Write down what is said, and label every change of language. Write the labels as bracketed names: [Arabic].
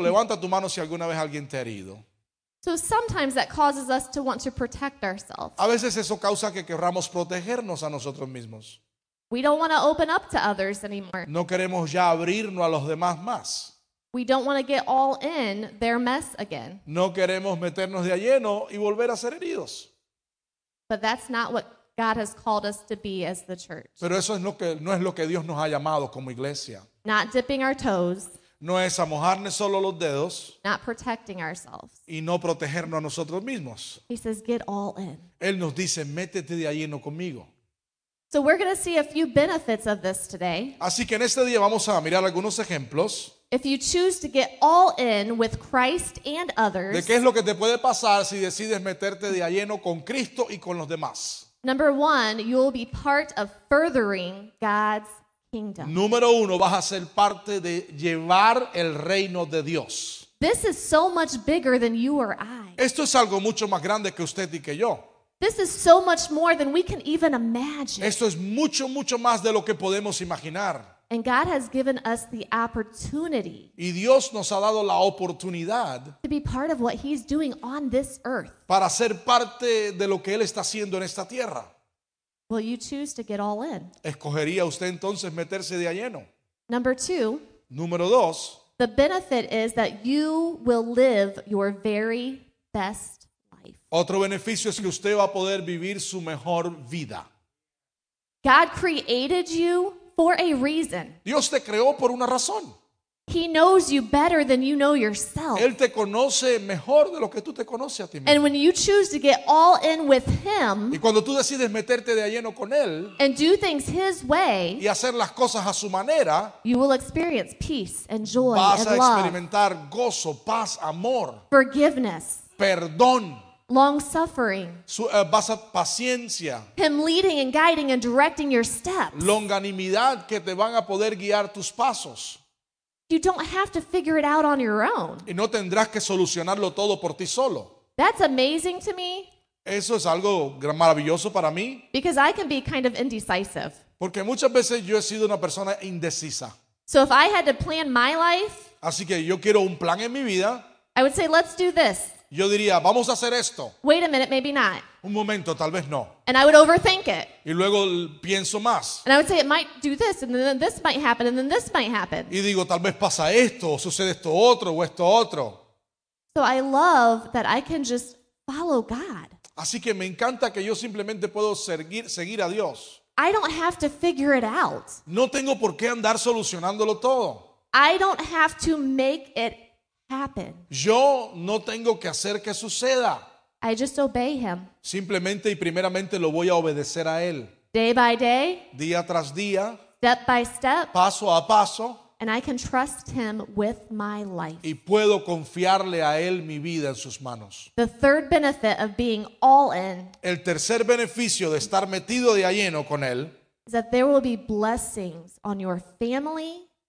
[Spanish] Levanta tu mano si alguna vez alguien te ha herido. [English] So sometimes that causes us to want to protect ourselves. [Spanish] A veces eso causa que queramos protegernos a nosotros mismos. [English] We don't want to open up to others anymore. [Spanish] No queremos ya abrirnos a los demás más. [English] We don't want to get all in their mess again. [Spanish] No queremos meternos de lleno y volver a ser heridos. [English] But that's not what God has called us to be as the church. [Spanish] Pero eso es lo que, no es lo que Dios nos ha llamado como iglesia. [English] Not dipping our toes. [Spanish] No es a mojarnos solo los dedos. [English] Not protecting ourselves. [Spanish] Y no protegernos a nosotros mismos. [English] He says, get all in. [Spanish] Él nos dice, métete de lleno conmigo. [English] So we're going to see a few benefits of this today. [Spanish] Así que en este día vamos a mirar algunos ejemplos. [English] If you choose to get all in with Christ and others. [Spanish] ¿De qué es lo que te puede pasar si decides meterte de lleno con Cristo y con los demás? [English] Number one, you will be part of furthering God's kingdom. [Spanish] Número uno, vas a ser parte de llevar el reino de Dios. [English] This is so much bigger than you or I. [Spanish] Esto es algo mucho más grande que usted y que yo. [English] This is so much more than we can even imagine. [Spanish] Esto es mucho, mucho más de lo que podemos imaginar. [English] And God has given us the opportunity. [Spanish] Y Dios nos ha dado la oportunidad. [English] To be part of what he's doing on this earth. [Spanish] Para ser parte de lo que él está haciendo en esta tierra. [English] Will you choose to get all in? [Spanish] ¿Escogería usted entonces meterse de lleno? [English] Number two. [Spanish] Número dos. [English] The benefit is that you will live your very best. [Spanish] Otro beneficio es que usted va a poder vivir su mejor vida. [English] God created you for a reason. [Spanish] Dios te creó por una razón. [English] He knows you better than you know yourself. [Spanish] Él te conoce mejor de lo que tú te conoces a ti mismo. [English] And when you choose to get all in with him. [Spanish] Y cuando tú decides meterte de lleno con él. [English] And do things his way. [Spanish] Y hacer las cosas a su manera. [English] You will experience peace and joy and [Spanish] love. Vas a experimentar gozo, paz, amor. [English] Forgiveness. [Spanish] Perdón. [English] Long suffering. [Spanish] Paciencia. [English] Him leading and guiding and directing your steps. [Spanish] Longanimidad que te van a poder guiar tus pasos. [English] You don't have to figure it out on your own. [Spanish] Y no tendrás que solucionarlo todo por ti solo. [English] That's amazing to me. [Spanish] Eso es algo maravilloso para mí. [English] Because I can be kind of indecisive. [Spanish] Porque muchas veces yo he sido una persona indecisa. [English] So if I had to plan my life. [Spanish] Así que yo quiero un plan en mi vida. [English] I would say, let's do this. [Spanish] Yo diría, vamos a hacer esto. [English] Wait a minute, maybe not. [Spanish] Un momento, tal vez no. [English] And I would overthink it. [Spanish] Y luego pienso más. [English] And I would say, it might do this, and then this might happen, and then this might happen. [Spanish] Y digo, tal vez pasa esto, o sucede esto otro, o esto otro. [English] So I love that I can just follow God. [Spanish] Así que me encanta que yo simplemente puedo seguir a Dios. [English] I don't have to figure it out. [Spanish] No tengo por qué andar solucionándolo todo. [English] I don't have to make it happen. [Spanish] Yo no tengo que hacer que suceda. [English] I just obey him. [Spanish] Simplemente y primeramente lo voy a obedecer a él. [English] Day by day. [Spanish] Día tras día. [English] Step by step. [Spanish] Paso a paso. [English] And I can trust him with my life. [Spanish] Y puedo confiarle a él mi vida en sus manos. [English] The third benefit of being all in. [Spanish] El tercer beneficio de estar metido de lleno con él. [English] Is that there will be blessings on your family.